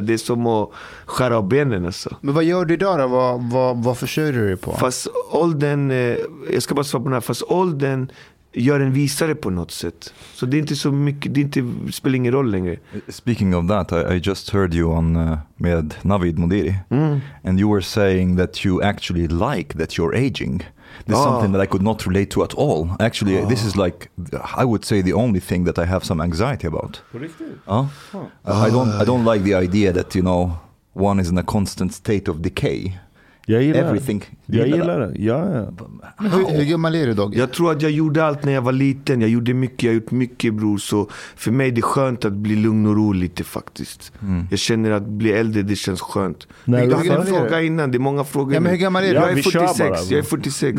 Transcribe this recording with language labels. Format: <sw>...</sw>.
<sv>Det är som att skära av benen. Alltså. Men vad gör du idag då? Vad försörjer du dig på? Fast åldern... Jag ska bara svara på den här. Fast åldern gör en visare på något sätt. Så det är inte så mycket, det är inte, spelar ingen roll längre.</sv> <en>Speaking of that, I just heard you on med Navid Modiri. Mm. And you were saying that you actually like that you're aging. This is something that I could not relate to at all. Actually, this is like, I would say, the only thing that I have some anxiety about.</en> <sv>Riktigt?</sv> <en>I don't like the idea that, you know, one is in a constant state of decay.</en> <sv>Jag gillar everything. Jag gillar det. Ja, ja. Hur gammal är du då? Jag tror att jag gjorde allt när jag var liten. Jag gjorde mycket, jag har gjort mycket, bror. Så för mig är det skönt att bli lugn och rolig lite faktiskt. Mm. Jag känner att bli äldre, det känns skönt. Nej, jag har en fråga innan, det är många frågor. Ja, men hur gammal är du? Jag är 46. Jag är 46.</sv>